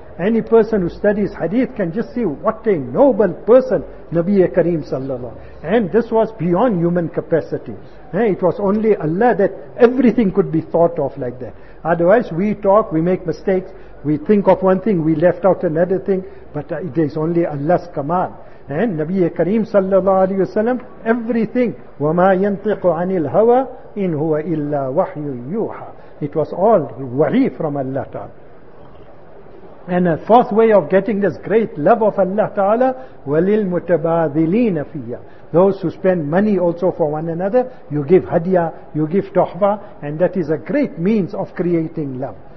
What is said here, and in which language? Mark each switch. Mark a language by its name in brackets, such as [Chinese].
[English] Any person who studies hadith can just see what a noble person Nabi Kareem sallallahu. And this was beyond human capacity. It was only Allah that everything could be thought of like that. Otherwise we talk, we make mistakes, we think of one thing, we left out another thing. But it is only Allah's command. And Nabi Kareem sallallahu alayhi wasallam, everything, [Arabic] وَمَا يَنْطِقُ عَنِ الْهَوَىٰ إِنْ هُوَ إِلَّا وَحْيُّ يُوحَىٰ. [English] It was all wahi from Allah Ta'ala. And a fourth way of getting this great love of Allah Ta'ala, [Arabic] walil mutabadhilina fiyya, [English] those who spend money also for one another, you give hadiah, you give tohfa, and that is a great means of creating love.